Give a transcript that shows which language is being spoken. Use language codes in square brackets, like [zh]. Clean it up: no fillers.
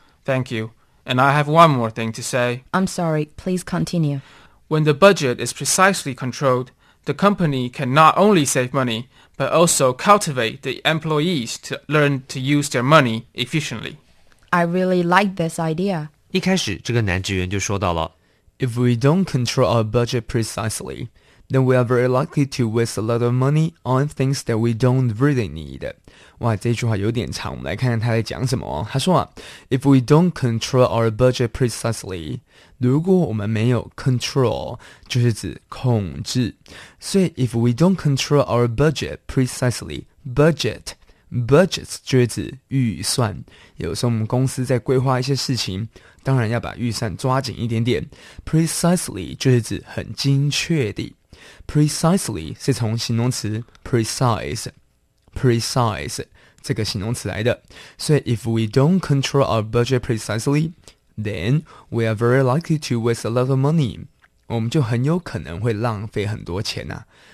[en] Thank you. And I have one more thing to say. I'm sorry, please continue. When the budget is precisely controlled,The company can not only save money, but also cultivate the employees to learn to use their money efficiently. I really like this idea. [zh] 一开始这个男职员就说到了 [en] If we don't control our budget precisely, then we are very likely to waste a lot of money on things that we don't really need. [zh] 哇这句话有点长我们来看看他在讲什么、哦、他说、啊、 [en] If we don't control our budget precisely, [zh] 如果我们没有 control, 就是指控制。所以 [en] if we don't control our budget precisely, budget [zh] 就是指预算。有时候我们公司在规划一些事情当然要把预算抓紧一点点。 precisely 就是指很精确的。precisely 是从形容词 precise 这个形容词来的。所以 [en] if we don't control our budget precisely,Then, we are very likely to waste a lot of money. [zh] 我们就很有可能会浪费很多钱啊。